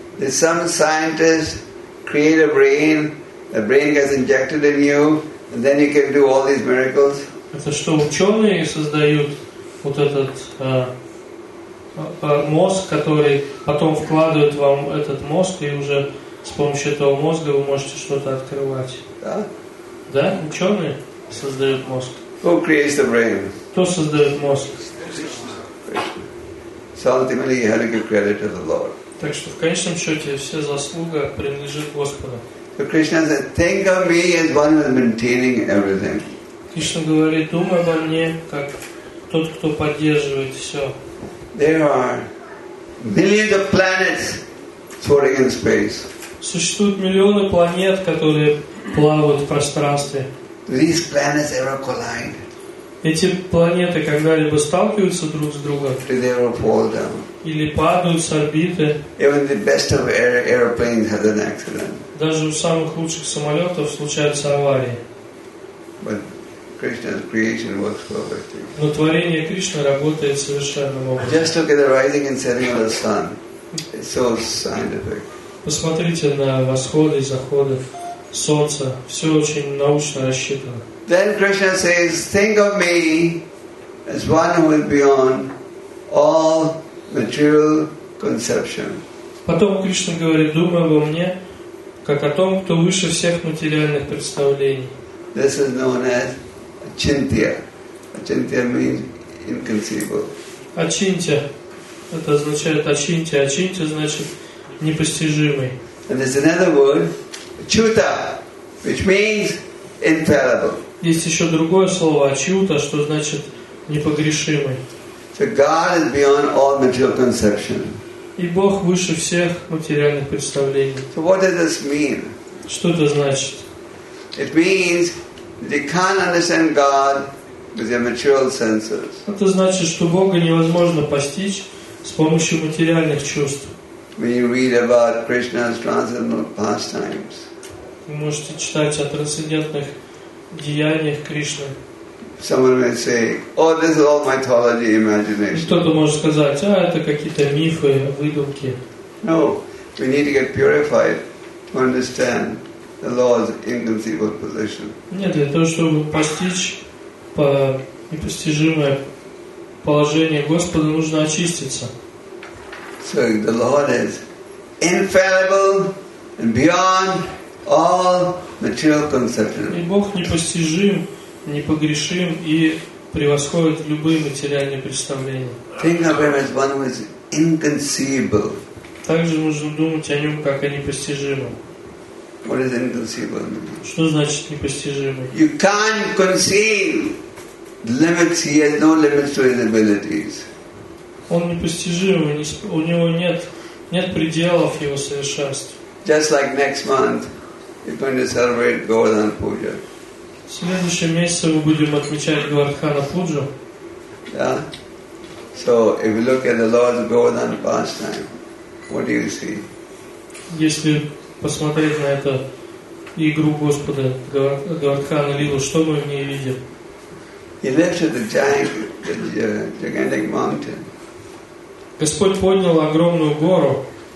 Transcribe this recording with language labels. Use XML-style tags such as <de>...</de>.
<en>Did some scientist create a brain, the brain gets injected in you, and then you can do all these miracles?</en> <ru>Это что, ученые создают вот этот мозг, который потом вкладывает вам этот мозг, и уже с помощью этого мозга вы можете что-то открывать. Да? Да? Ученые создают мозг.</ru> <en>Who creates the brain?</en> <ru>Кто создает мозг?</ru> <en>So ultimately you have to give credit to the Lord.</en> <ru>Так что в конечном счете вся заслуга принадлежит Господу.</ru> <en>So Krishna said, think of me as one who is maintaining everything.</en> <ru>Кришна говорит: думай обо мне как тот, кто поддерживает все.</ru> <en>There are millions of planets floating in space.</en> <ru>Существуют миллионы планет, которые плавают в пространстве.</ru> <en>These planets ever collide?</en> <ru>Эти планеты когда-либо сталкиваются друг с другом?</ru> <en>Do they ever fall down?</en> <ru>Или падают с орбиты?</ru> <en>Even the best of airplanes has an accident.</en> <ru>Даже у самых лучших самолетов случаются аварии.</ru> <en>Krishna's creation works perfectly.</en> <ru>Но творение Кришны работает совершенно образом.</ru> <en>Just look at the rising and setting of the sun. It's so scientific.</en> <ru>Посмотрите на восходы и заходы солнца. Все очень научно рассчитано.</ru> <en>Then Krishna says, "Think of me as one who is beyond all material conception.</en> <ru>Потом Кришна говорит: думай обо мне как о том, кто выше всех материальных представлений.</ru> <en>This is known as achintya. Achintya means inconceivable.</en> <ru>Ачинтья — это означает ачинтья. Ачинтья значит непостижимый.</ru> <en>And there's another word, чута, which means infallible.</en> <ru>Есть еще другое слово ачута, что значит непогрешимый.</ru> <en>So God is beyond all material conception.</en> <ru>И Бог выше всех материальных представлений.</ru> <en>So what does this mean?</en> <ru>Что это значит?</ru> <en>It means that you can't understand God with your material senses.</en> <ru>Это значит, что Бога невозможно постичь с помощью материальных чувств.</ru> <en>When you read about Krishna's transcendental pastimes.</en> <ru>Вы можете читать о трансцендентных деяниях Кришны.</ru> <en>Someone may say, "Oh, this is all mythology, imagination."</en> <ru>Кто-то может сказать: "А это какие-то мифы, выдумки."</ru> <en>No, we need to get purified to understand the Lord's inconceivable position.</en> <ru>Нет, для того чтобы постичь непостижимое положение Господа, нужно очиститься.</ru> <en>So the Lord is infallible and beyond all material conception.</en> <ru>И Бог непостижим, непогрешим и превосходит любые материальные представления.</ru> <en>Think of him as one who is inconceivable.</en> <ru>Также нужно думать о нем как о непостижимом.</ru> <en>What is inconceivable?</en> <ru>Что значит непостижимый?</ru> <en>You can't conceive limits. He has no limits to his abilities.</en> <ru>Он непостижимый, у него нет пределов его совершенству.</ru> <en>Just like next month, we're going to celebrate Govardhan Puja.</en> <ru>В следующем месяце мы будем отмечать Говардхана Пуджу.</ru> <en>Yeah. So if you look at the Lord's Govardhan pastime, what do you see?</en> <ru>Если посмотреть на эту игру Господа Говардхана Лилу, что мы в ней видим?</ru> <en>He lifted the giant, the gigantic mountain.</en> <ru>Господь поднял огромную гору.</ru>